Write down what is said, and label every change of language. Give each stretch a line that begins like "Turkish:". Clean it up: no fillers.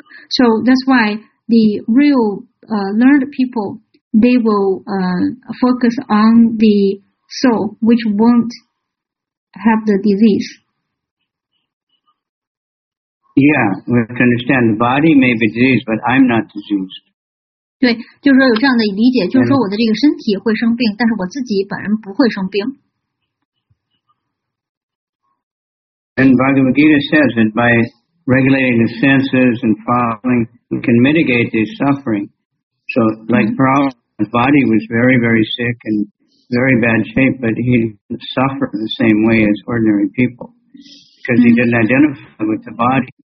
English: So that's why the real learned people, they will focus on the soul, which won't have the disease. Yeah, we have to understand the body may be diseased, but I'm not diseased.
Chinese: 对，就是说有这样的理解，就是说我的这个身体会生病，但是我自己本人不会生病。
English: And Bhagavad Gita says that by regulating the senses and following, we can mitigate this suffering. So, like Prabhupada, his body was very, very sick and very bad shape, but he suffered the same way as ordinary people because he didn't identify with the body.